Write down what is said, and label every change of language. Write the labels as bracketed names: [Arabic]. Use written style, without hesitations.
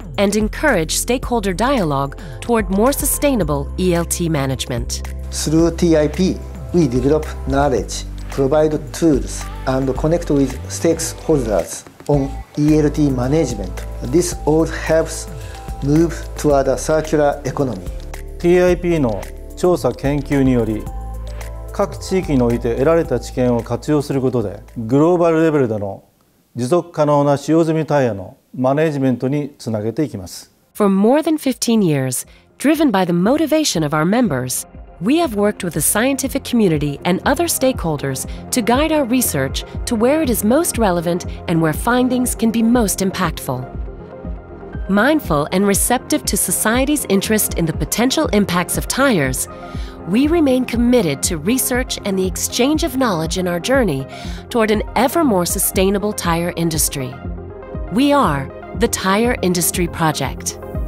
[English] and encourage stakeholder dialogue toward more sustainable ELT management. Through TIP, we develop knowledge, provide tools, and connect with stakeholders on ELT management. This all helps move toward a circular economy. [Japanese] TIP の調査研究により、各地域において得られた知見を活用することで、グローバルレベルでの持続可能な使用済みタイヤのマネジメントにつなげていきます。 [English] For more than 15 years, driven by the motivation of our members, we have worked with the scientific community and other stakeholders to guide our research to where it is most relevant and where findings can be most impactful. Mindful and receptive to society's interest in the potential impacts of tires, we remain committed to research and the exchange of knowledge in our journey toward an ever more sustainable tire industry. We are the Tire Industry Project.